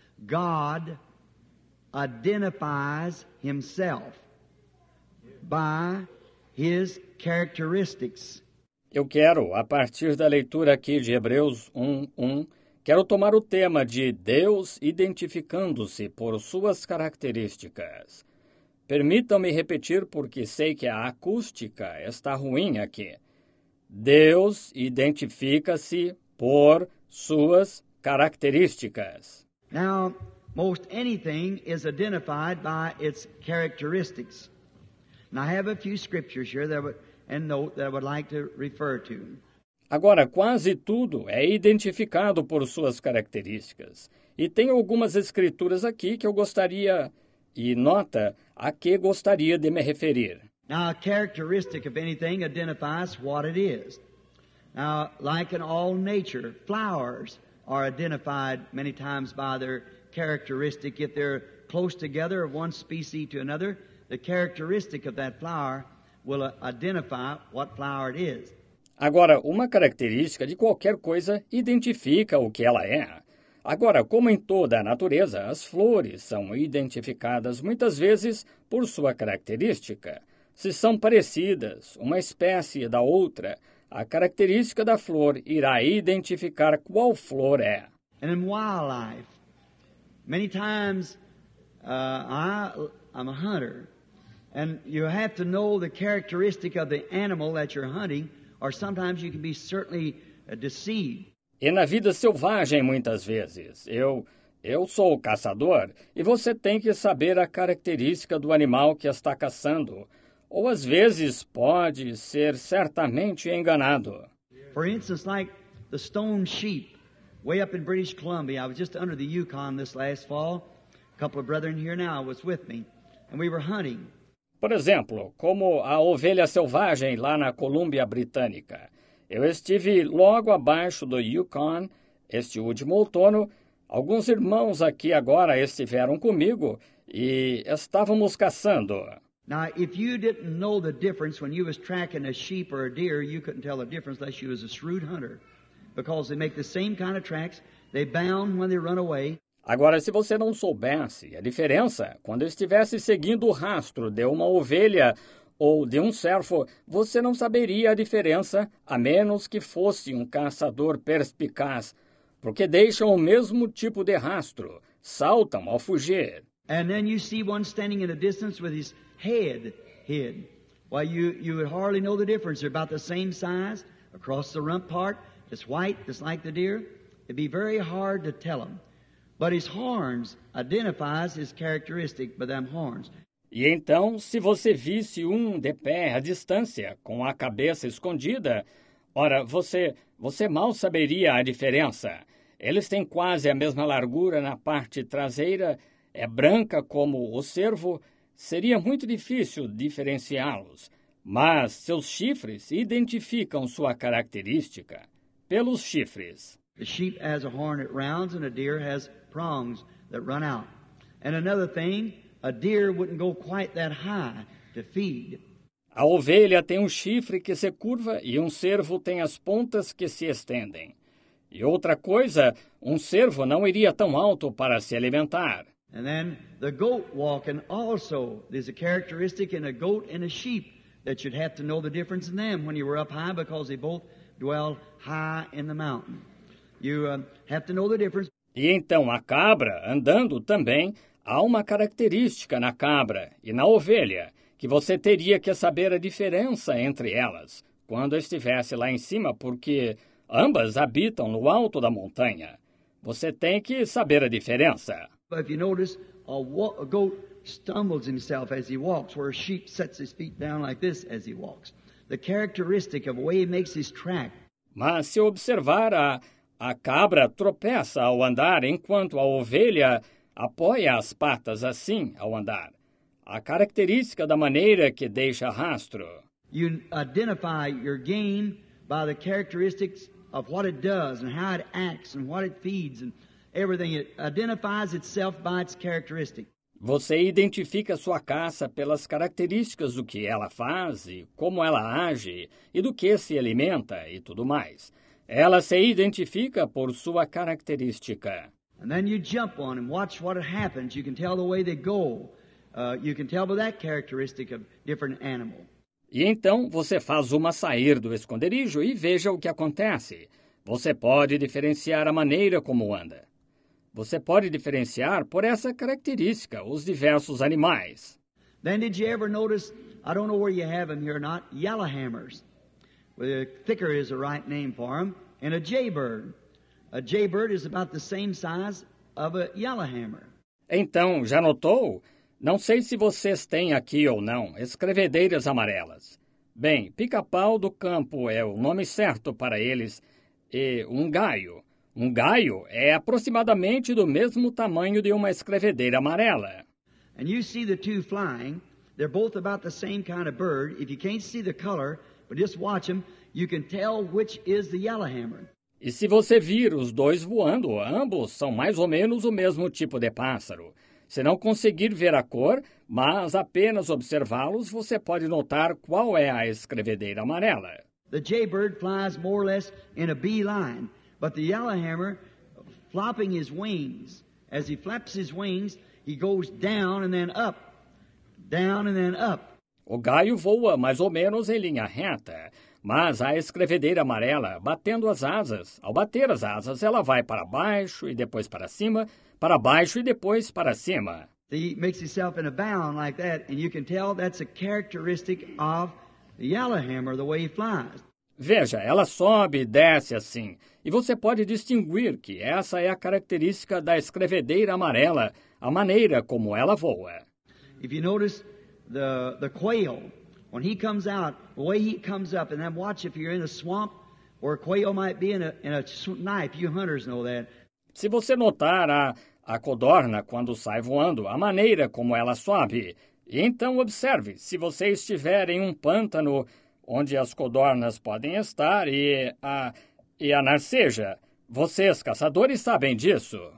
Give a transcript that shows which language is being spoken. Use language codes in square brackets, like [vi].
[en] God identifies himself by his characteristics. [pt] Eu quero, a partir da leitura aqui de Hebreus 1:1, quero tomar o tema de Deus identificando-se por suas características. Permitam-me repetir porque sei que a acústica está ruim aqui. Deus identifica-se por suas características. [en] Now, most anything is identified by its characteristics. And I have a few scriptures here that I would like to refer to. [pt] Agora, quase tudo é identificado por suas características. E tem algumas escrituras aqui que eu gostaria, e nota a que gostaria de me referir. [en] Now, a characteristic of anything identifies what it is. Now, like in all nature, flowers are identified many times by their characteristic. If they're close together of one species to another, the characteristic of that flower will identify what flower it is. [pt] Agora, uma característica de qualquer coisa identifica o que ela é. Agora, como em toda a natureza, as flores são identificadas muitas vezes por sua característica. Se são parecidas, uma espécie da outra, a característica da flor irá identificar qual flor é. [en] And in wildlife, many times I'm a hunter, and you have to know the characteristic of the animal that you're hunting, or sometimes you can be certainly deceived. [pt] E na vida selvagem, muitas vezes, eu sou o caçador e você tem que saber a característica do animal que está caçando. Ou às vezes pode ser certamente enganado. [en] For instance, like the stone sheep, way up in British Columbia, I was just under the Yukon this last fall. A couple of brethren here now was with me, and we were hunting. [pt] Por exemplo, como a ovelha selvagem lá na Colúmbia Britânica. Eu estive logo abaixo do Yukon este último outono. Alguns irmãos aqui agora estiveram comigo e estávamos caçando. [en] Now, if you didn't know the difference when you was tracking a sheep or a deer, you couldn't tell the difference unless you was a shrewd hunter, because they make the same kind of tracks. They bound when they run away. [pt] Agora, se você não soubesse a diferença, quando estivesse seguindo o rastro de uma ovelha ou de um servo, você não saberia a diferença, a menos que fosse um caçador perspicaz, porque deixam o mesmo tipo de rastro, saltam ao fugir. [en] And then you see one standing in the distance with his head hid. Well, you would hardly know the difference. They're about the same size, across the rump part, it's white, just like the deer. It'd be very hard to tell them. But his horns identifies his characteristic by them horns. [pt] E então, se você visse um de pé à distância, com a cabeça escondida, ora, você mal saberia a diferença. Eles têm quase a mesma largura na parte traseira, é branca como o cervo, seria muito difícil diferenciá-los. Mas seus chifres identificam sua característica pelos chifres. [en] The sheep has a horn at rounds and a deer has prongs that run out. And another thing, a deer wouldn't go quite that high to feed. [pt] A ovelha tem um chifre que se curva e um cervo tem as pontas que se estendem. E outra coisa, um cervo não iria tão alto para se alimentar. [en] And then the goat walking also, there's a characteristic in a goat and a sheep that you'd have to know the difference in them when you were up high, because they both dwell high in the mountain. You have to know the difference. [pt] E então a cabra andando também, há uma característica na cabra e na ovelha que você teria que saber a diferença entre elas quando estivesse lá em cima, porque ambas habitam no alto da montanha. Você tem que saber a diferença. [en] But if you notice, a goat stumbles himself as he walks, where a sheep sets his feet down like this as he walks. The characteristic of the way he makes his track. [pt] Mas se observar, a cabra tropeça ao andar, enquanto a ovelha apoia as patas assim ao andar. A característica da maneira que deixa rastro. [en] You identify your game by the characteristics of what it does and how it acts and what it feeds and everything. It identifies itself by its characteristic. [pt] Você identifica sua caça pelas características do que ela faz e como ela age e do que se alimenta e tudo mais. Ela se identifica por sua característica. [en] And then you jump on and watch what happens. You can tell the way they go. You can tell by that characteristic of different animal. [pt] E então você faz uma sair do esconderijo e veja o que acontece. Você pode diferenciar a maneira como anda. Você pode diferenciar por essa característica os diversos animais. [en] Then did you ever notice, I don't know where you have them here or not, yellowhammers. Well, thicker is the right name for them. And a jaybird. A jaybird is about the same size of a yellowhammer. [pt] Então, já notou? Não sei se vocês têm aqui ou não, escrevedeiras amarelas. Bem, pica-pau do campo é o nome certo para eles. E um gaio. Um gaio é aproximadamente do mesmo tamanho de uma escrevedeira amarela. [en] And you see the two flying. They're both about the same kind of bird. If you can't see the color, but just watch them, you can tell which is the yellowhammer. [pt] E se você vir os dois voando, ambos são mais ou menos o mesmo tipo de pássaro. Se não conseguir ver a cor, mas apenas observá-los, você pode notar qual é a escrevedeira amarela. [en] The jaybird flies more or less in a bee line, but the yellowhammer, flapping his wings, as he flaps his wings, he goes down and then up, down and then up. [pt] O gaio voa mais ou menos em linha reta, mas a escrevedeira amarela, batendo as asas, ao bater as asas, ela vai para baixo e depois para cima, para baixo e depois para cima. [en] He makes himself in a bound like that, and you can tell that's a characteristic of the yellowhammer, the way he flies. [pt] Veja, ela sobe e desce assim, e você pode distinguir que essa é a característica da escrevedeira amarela, a maneira como ela voa. [en] If you notice the quail, when he comes out, the way he comes up, and then watch if you're in a swamp where a quail might be in a knife, you hunters know that. [pt] Se você notar a codorna quando sai voando, a maneira como ela sobe, então observe, se você estiver em um pântano onde as codornas podem estar e a narceja, vocês caçadores sabem disso.